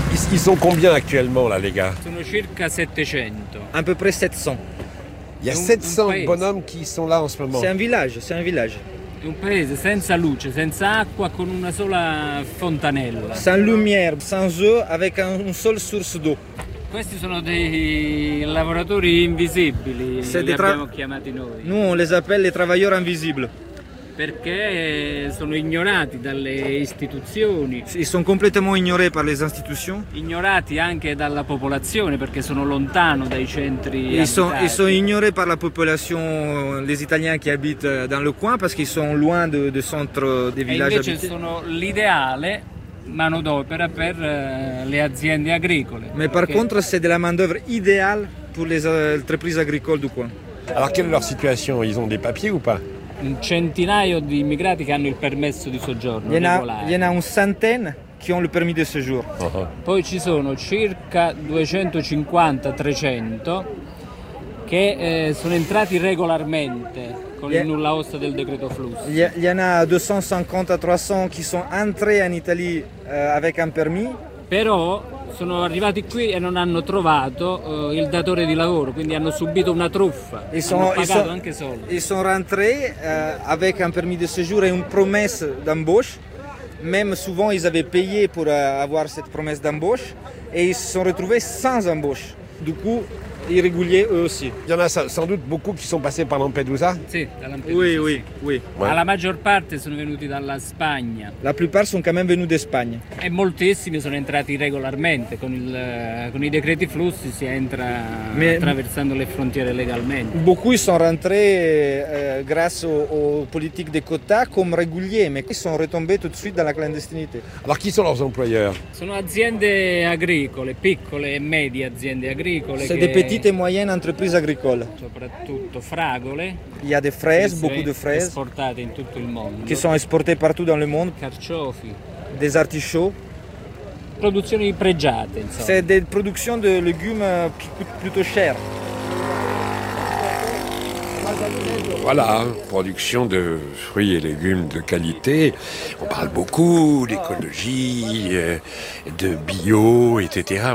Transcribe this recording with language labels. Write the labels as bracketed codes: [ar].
[fr] Ils sont combien actuellement là, les gars? [it] Sono circa 700. [fr] À peu près 700. Il y a 700 bonhommes qui sont là en ce moment. C'est un village. C'est un pays sans [it] luce, [fr] sans [it] acqua, con una sola fontanella. [fr] Sans lumière, sans eau, avec une seule source d'eau. [it] Questi sono dei lavoratori invisibili, li abbiamo chiamati noi. [fr] Nous, on les appelle les travailleurs invisibles. [it] perché sono ignorati dalle istituzioni. Sì, sono completamente ignorati per le istituzioni? Ignorati anche dalla popolazione, perché sono lontano dai centri abitati. E sono ignorati per la popolazione, gli italiani che abitano [fr] dans le coin, [it] perché sono [fr] loin de [it] centro dei villaggi. E invece sono l'ideale manodopera per le aziende agricole. Ma per contro, c'è della manodopera ideale per le [fr] entreprise agricole du coin. Alors, [it] quelle è la loro situazione? [fr] Ils ont des papiers ou pas? [it] Un centinaio di immigrati che hanno il permesso di soggiorno. [fr] Il y en a un centaine qui ont le permis de séjour. Uh-huh. [it] Poi ci sono circa 250-300 che sono entrati regolarmente con il nulla osta del decreto flusso. [fr] Il y en a 250-300 qui sont entrés en Italie avec un permis. [it] Però sono arrivati qui e non hanno trovato il datore di lavoro, quindi hanno subito una truffa. Sono [fr] rentrés avec un permis de séjour et une promesse d'embauche. Même souvent ils avaient payé pour avoir cette promesse d'embauche et ils se sont retrouvés sans embauche. Du coup, irréguliers eux aussi. Il y en a sans doute beaucoup qui sont passés par Lampedusa. [it] Sì, da Lampedusa. [fr] Oui. Ouais. [it] Ma la maggior parte sono venuti dalla Spagna. [fr] La plupart sont quand même venus de Spagne. [it] E moltissimi sono entrati regolarmente con i decreti flussi si entra attraversando le frontiere legalmente. [fr] Beaucoup sont rentrés grâce aux politiques des quotas comme réguliers, mais qui sont retombés tout de suite dans la clandestinité. Alors qui sont leurs employeurs? [it] Sono aziende agricole, piccole e medie aziende agricole. [fr] Petite e moyenne entreprise agricole. [it] Soprattutto fragole. [fr] Il y a des fraises, beaucoup de fraises. [it] Esportate in tutto il mondo. Che sono esportate [fr] partout dans le monde. [it] Carciofi. [fr] Des artichauts. [it] Produzioni pregiate, insomma. [fr] C'est des productions de légumes qui coûtent plutôt cher. Voilà, production de fruits et légumes de qualité. On parle beaucoup d'écologie, de bio, etc.